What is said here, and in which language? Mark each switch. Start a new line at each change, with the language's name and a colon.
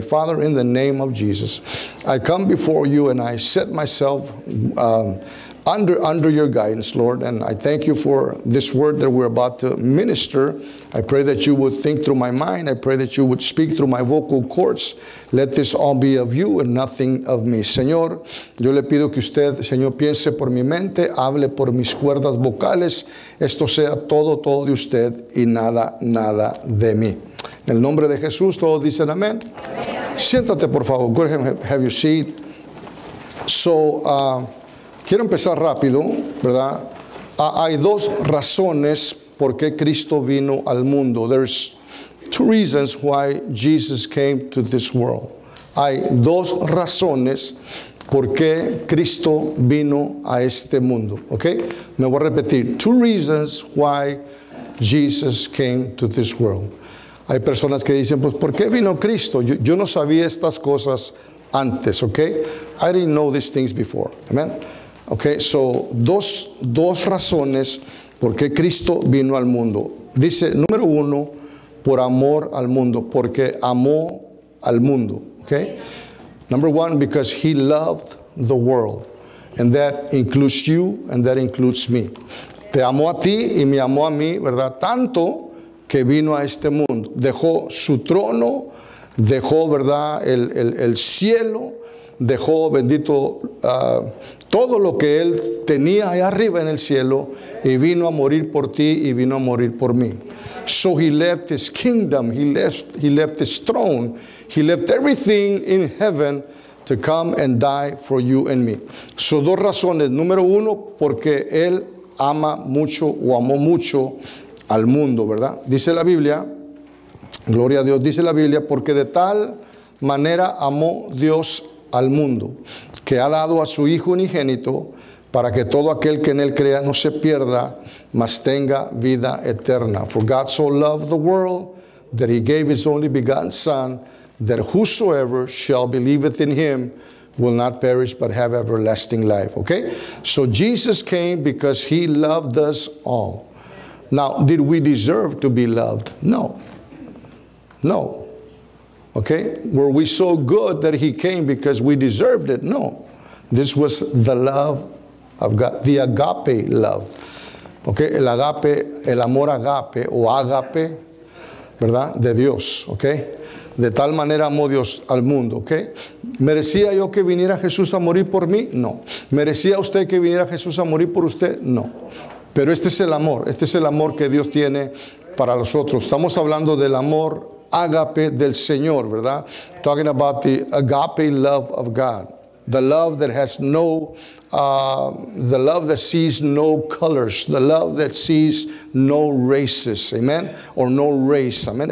English: Father, in the name of Jesus, I come before you and I set myself under your guidance, Lord. And I thank you for this word that we're about to minister. I pray that you would think through my mind. I pray that you would speak through my vocal cords. Let this all be of you and nothing of me.
Spanish: Señor, yo le pido que usted, Señor, piense por mi mente, hable por mis cuerdas vocales. Esto sea todo, todo de usted y nada, nada de mí. En el nombre de Jesús, todos dicen amén. Amen. Siéntate, por favor.
English: Go ahead, have your seat.
Spanish: So, quiero empezar rápido, ¿verdad? Hay dos razones por qué Cristo vino al mundo.
English: There's two reasons why Jesus came to this world.
Spanish: Hay dos razones por qué Cristo vino a este mundo, ¿ok? Me voy a repetir.
English: Two reasons why Jesus came to this world.
Spanish: Hay personas que dicen, pues, ¿por qué vino Cristo? Yo no sabía estas cosas antes, ¿ok?
English: I didn't know these things before. Amen. Ok, so,
Spanish: dos razones por qué Cristo vino al mundo. Dice, número uno, por amor al mundo, porque amó al mundo. Ok.
English: Number one, because he loved the world. And that includes you, and that includes me.
Spanish: Te amó a ti y me amó a mí, ¿verdad? Tanto que vino a este mundo, dejó su trono, dejó, ¿verdad?, el cielo, dejó, bendito, todo lo que él tenía allá arriba en el cielo, y vino a morir por ti y vino a morir por mí.
English: So he left his kingdom, he left his throne, he left everything in heaven to come and die for you and me.
Spanish: So dos razones. Número uno, porque él ama mucho o amó mucho al mundo, ¿verdad? Dice la Biblia, gloria a Dios, dice la Biblia, porque de tal manera amó Dios al mundo, que ha dado a su Hijo unigénito, para que todo aquel que en él crea no se pierda, mas tenga vida eterna.
English: For God so loved the world, that he gave his only begotten Son, that whosoever shall believeth in him will not perish, but have everlasting life. Okay? So Jesus came because he loved us all. Now, did we deserve to be loved? No. No. Okay? Were we so good that he came because we deserved it? No. This was the love of God, the agape love. Okay?
Spanish: El agape, el amor agape, o agape. ¿verdad? De Dios, ¿ok? De tal manera amó Dios al mundo, ¿ok? ¿Merecía yo que viniera Jesús a morir por mí? No. ¿Merecía usted que viniera Jesús a morir por usted? No. Pero este es el amor, este es el amor que Dios tiene para los otros. Estamos hablando del amor ágape del Señor, ¿verdad?
English: Talking about the agape love of God. The love that has no, the love that sees no colors, the love that sees no races, amen, or no race, amen.